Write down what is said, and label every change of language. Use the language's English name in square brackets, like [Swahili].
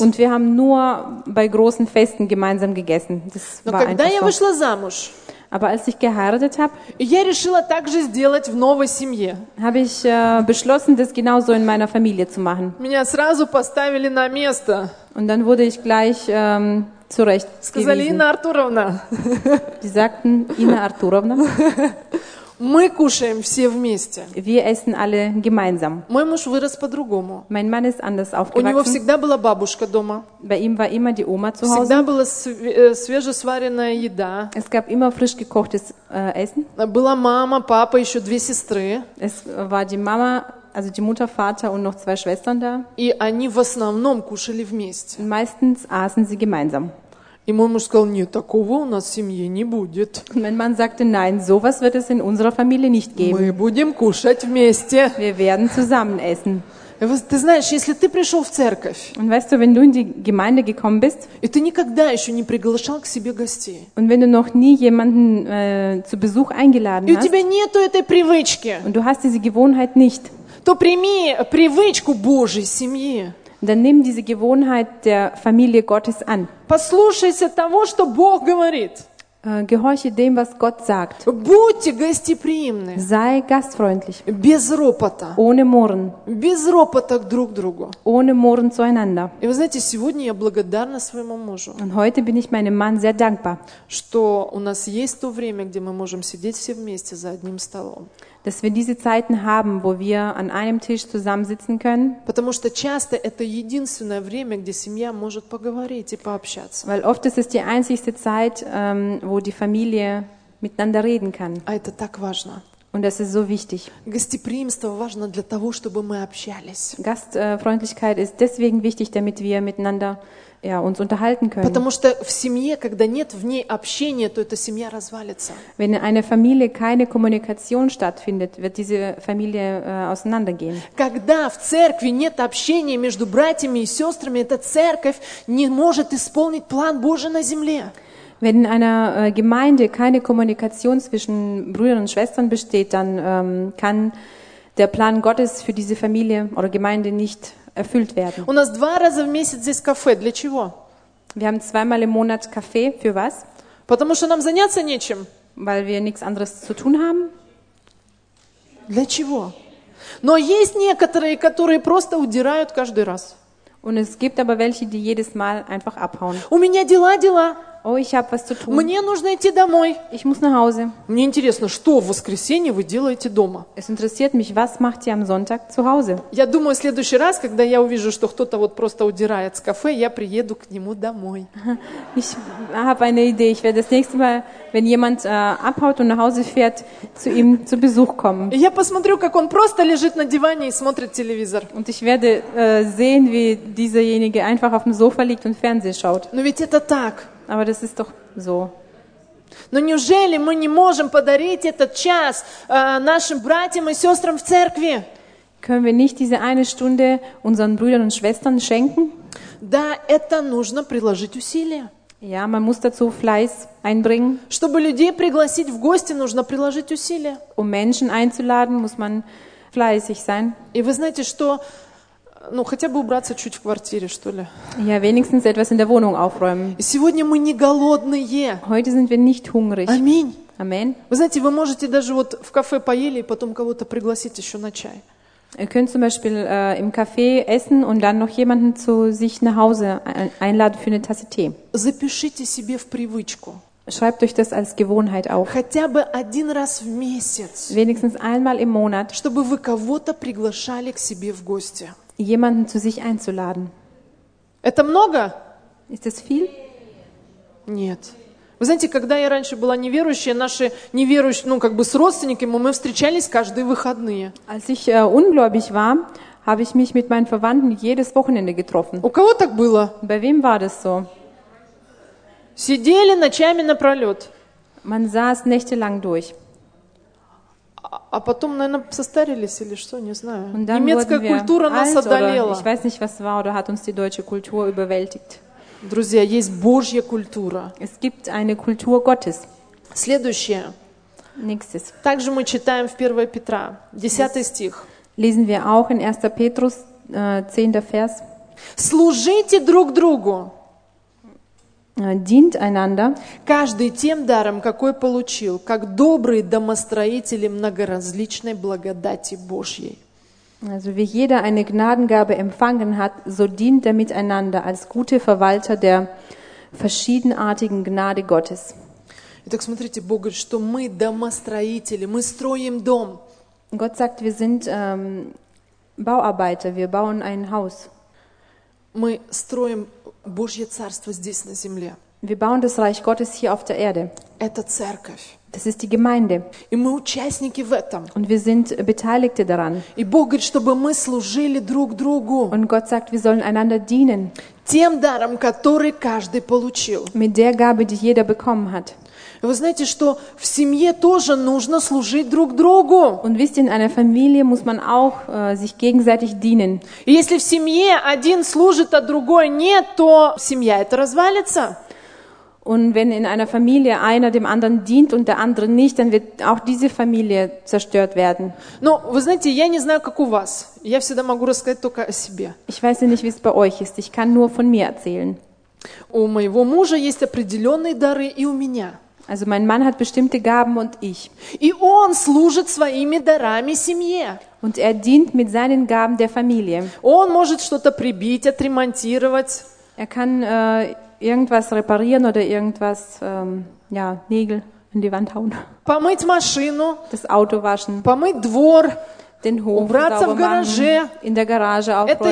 [German] Und wir haben nur bei großen Festen gemeinsam gegessen. [Russian] Но когда я вышла замуж, [German] aber als ich geheiratet habe, [Russian] я решила также сделать в новой семье. [German] Habe ich beschlossen, das genauso in meiner Familie zu machen. [Russian] Меня сразу поставили на место. [German] Und dann wurde ich gleich zurecht. [Russian] Сказали, Инна Артуровна. [German] Die sagten, Инна Артуровна. [Russian] Мы кушаем все вместе. [German] Wir essen alle gemeinsam. [Russian] Мой муж вырос по-другому. [German] Mein Mann ist anders aufgewachsen. [Russian] У него всегда была бабушка дома. [German] Bei ihm war immer die Oma zu Hause. [Russian] Всегда была свежесваренная еда. [German] Es gab immer frisch gekochtes Essen. [Russian] Была мама, папа, еще две сестры. [German] Es war die Mama, also die Mutter, Vater und noch zwei Schwestern da. [Russian] И они в основном кушали вместе. [German] Meistens aßen sie gemeinsam. [Russian] И мой муж сказал, нет, такого у нас в семье не будет. [German] Mein Mann sagte, nein, sowas wird es in unserer Familie nicht geben. [Russian] Мы будем кушать вместе. [German] Wir werden zusammen essen. [Russian] Ты знаешь, если ты пришел в церковь, [German] und weißt du, wenn du in die Gemeinde gekommen bist, [Russian] и ты никогда еще не приглашал к себе гостей, [German] und wenn du noch nie jemanden zu Besuch eingeladen [Russian] hast, и у тебя нету этой привычки, [German] und du hast diese Gewohnheit nicht, [Russian] то прими привычку Божьей семьи. [German] Dann nimm diese Gewohnheit der Familie Gottes an. [Russian] Послушайся того, что Бог говорит. [German] Gehorche dem, was Gott sagt. [Russian] Будьте гостеприимны. [German] Sei gastfreundlich. [Russian] Без ропота. [German] Ohne Murren. [Russian] Без ропота друг другу. [German] Ohne Murren zueinander. [Russian] И вы знаете, сегодня я благодарна своему мужу. [German] Und heute bin ich meinem Mann sehr dankbar. [Russian] Что у нас есть то время, где мы можем сидеть все вместе за одним столом. [German] Dass wir diese Zeiten haben, wo wir an einem Tisch zusammensitzen können. [Russian] Потому что часто это единственное время, где семья может поговорить и пообщаться. [German] Weil oft ist es die einzigste Zeit, wo die Familie miteinander reden kann. [Russian] А это так важно. [German] Und das ist so wichtig. [Russian] Гостеприимство важно для того, чтобы мы общались. [German] Gastfreundlichkeit ist deswegen wichtig, damit wir miteinander ja, uns unterhalten können. [Russian] Потому что в семье, когда нет в ней общения, то эта семья развалится. [German] Wenn in einer Familie keine Kommunikation stattfindet, wird diese Familie auseinandergehen. [Russian] Когда в церкви нет общения между братьями и сестрами, эта церковь не может исполнить план Божий на земле. [German] Wenn in einer Gemeinde keine Kommunikation zwischen Brüdern und Schwestern besteht, dann kann der Plan Gottes für diese Familie oder Gemeinde nicht erfüllt werden. [Russian] У нас два раза в месяц здесь кафе. Для чего? [German] Wir haben zweimal im Monat Kaffee. Für was? [Russian] Потому что нам заняться нечем. [German] Weil wir nichts anderes zu tun haben. [Russian] Для чего? Но есть некоторые, которые просто удирают каждый раз. [German] Und es gibt aber welche, die jedes Mal einfach abhauen. [Russian] У меня дела. [German] Oh, ich habe was zu tun. [Russian] Мне нужно идти домой. [German] Ich muss nach Hause. [Russian] Мне интересно, что в воскресенье вы делаете дома? [German] Es interessiert mich, was macht ihr am Sonntag zu Hause? [Russian] Я думаю, в следующий раз, когда я увижу, что кто-то вот просто удирает с кафе, я приеду к нему домой. [German] Ich habe eine Idee. Ich werde das nächste Mal, wenn jemand abhaut und nach Hause fährt, zu ihm zu Besuch kommen. [Russian] Я посмотрю, как он просто лежит на диване и смотрит телевизор. [German] Und ich werde sehen, wie dieserjenige einfach auf dem Sofa liegt und Fernsehen schaut. [Russian] Но ведь это так. [German] Aber das ist doch so. [Russian] Но неужели мы не можем подарить этот час нашим братьям и сестрам в церкви? [German] Können wir nicht diese eine Stunde unseren Brüdern und Schwestern schenken? [Russian] Да, это нужно приложить усилия. [German] Ja, man muss dazu Fleiß einbringen. [Russian] Чтобы людей пригласить в гости, нужно приложить усилия. [German] Um Menschen einzuladen, muss man fleißig sein. [Russian] И вы знаете, что ну, хотя бы убраться чуть в квартире, что ли. [German] Ja, wenigstens etwas in der Wohnung aufräumen. [Russian] Сегодня мы не голодные. [German] Heute sind wir nicht hungrig. [Russian] Аминь. [German] Amen. [Russian] Вы знаете, вы можете даже вот в кафе поели и потом кого-то пригласить еще на чай. [German] Ihr könnt zum Beispiel im Café essen und dann noch jemanden zu sich nach Hause einladen für eine Tasse Tee. [Russian] Запишите себе в привычку. [German] Schreibt euch das als Gewohnheit auf. [Russian] Хотя бы один раз в месяц. [German] Wenigstens einmal im Monat. [Russian] Чтобы вы кого-то приглашали к себе в гости. [German] Jemanden zu sich einzuladen. [Russian] Это много? [German] Ist das viel? [Russian] Нет. Вы знаете, когда я раньше была неверующая, наши неверующие, ну как бы с родственниками, мы встречались каждые выходные. [German] Als ich ungläubig war, habe ich mich mit meinen Verwandten jedes Wochenende getroffen. [Russian] У кого так было? [German] Bei wem war das so? [Russian] Сидели ночами напролет. [German] Man saß nächtelang durch. [Russian] А потом, наверное, состарились или что, не знаю. Немецкая культура нас одолела. [German] Ich weiß nicht, was war oder hat uns die deutsche Kultur überwältigt. [Russian] Друзья, есть Божья культура. [German] Es gibt eine Kultur Gottes. [Russian] Следующее. [German] Nächstes. [Russian] Также мы читаем в 1 Петра, 10 стих. [German] Lesen wir auch in 1. Petrus, 10. Vers. [Russian] Служите друг другу. [German] Dient einander. [Russian] Каждый тем даром, какой получил, как добрые домостроители многоразличной благодати Божьей. [German] Also wie jeder eine Gnadengabe empfangen hat, so dient er miteinander als gute Verwalter der verschiedenartigen Gnade Gottes. [Russian] Итак, смотрите, Бог говорит, что мы домостроители, мы строим дом. [German] Gott sagt, wir sind Bauarbeiter, wir bauen ein Haus. [Russian] Мы строим Божье царство здесь на земле. [German] Wir bauen das Reich Gottes hier auf der Erde. [Russian] Это церковь. [German] Das ist die Gemeinde. [Russian] И мы участники в этом. [German] Und wir sind Beteiligte daran. [Russian] И Бог говорит, чтобы мы служили друг другу. [German] Und Gott sagt, wir sollen einander dienen. [Russian] Тем даром, который каждый получил. [German] Mit der Gabe, die jeder bekommen hat. [Russian] И вы знаете, что в семье тоже нужно служить друг другу. [German] Und wisst ihr, in einer Familie muss man auch sich gegenseitig dienen. [Russian] И если в семье один служит, а другой нет, то семья это развалится. [German] Und wenn in einer Familie einer dem anderen dient und der andere nicht, dann wird auch diese Familie zerstört werden. [Russian] Но, вы знаете, я не знаю, как у вас. Я всегда могу рассказать только о себе. [German] Ich weiß nicht, wie es bei euch ist. Ich kann nur von mir erzählen. [Russian] У моего мужа есть определенные дары и у меня. [German] Also mein Mann hat bestimmte Gaben und ich. [Russian] И он служит своими дарами семье. [German] Und er dient mit seinen Gaben der Familie. [Russian] Он может что-то прибить, отремонтировать. [German] Er kann irgendwas reparieren oder irgendwas, ja, Nägel in die Wand hauen. [Russian] Помыть машину. [German] Das Auto waschen. [Russian] Помыть двор. [German] Den Hof sauber [Russian] machen. В гараже. [German] In der Garage aufräumen.